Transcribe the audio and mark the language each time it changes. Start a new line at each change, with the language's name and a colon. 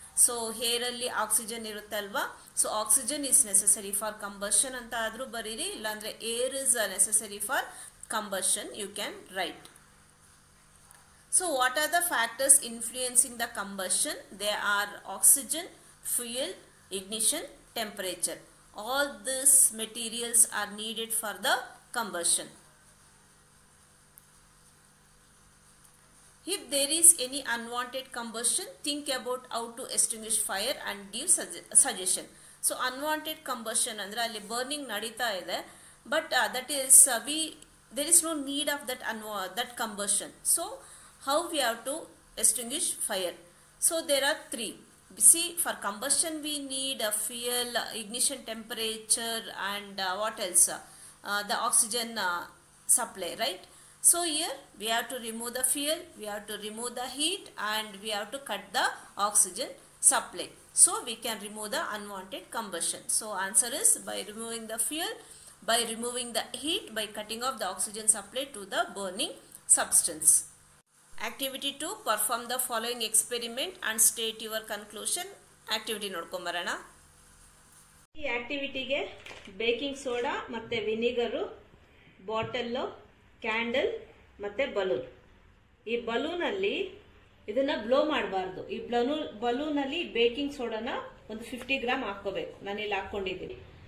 English: so
Kannada: air ಅಲ್ಲಿ oxygen ಇರುತ್ತೆ ಅಲ್ವಾ,
English: so oxygen is necessary for combustion
Kannada: ಅಂತ ಆದರೂ ಬರೀರಿ, ಇಲ್ಲಾಂದ್ರೆ
English: Air is necessary for combustion you can write. So what are the factors influencing the combustion? They are oxygen, fuel, ignition, temperature. All this materials are needed for the combustion. If there is any unwanted combustion, think about how to extinguish fire and give suggestion. So unwanted combustion
Kannada: andre alli burning nadita ide,
English: but that is we there is no need of that that combustion. So how we have to extinguish fire? So there are three. See, for combustion we need a fuel, ignition temperature, and what else? The oxygen supply, right? So here we have to remove the fuel, we have to remove the heat, and we have to cut the oxygen supply. So we can remove the unwanted combustion. So answer is by removing the fuel, by removing the heat, by cutting off the oxygen supply to the burning substance. Activity 2, perform the following experiment and state your conclusion.
Kannada: Activity nodkon barana. ಈ ಆಕ್ಟಿವಿಟಿಗೆ baking soda ಮತ್ತು vinegar, bottle, candle ಮತ್ತು balloon. ಈ ಬಲೂನಲ್ಲಿ ಇದನ್ನು blow ಮಾಡಬಾರ್ದು. ಈ ಬಲೂನಲ್ಲಿ baking ಸೋಡಾನ ಒಂದು 50 gram ಹಾಕೋಬೇಕು. ನಾನಿಲ್ಲಿ ಹಾಕ್ಕೊಂಡಿದ್ದೀನಿ.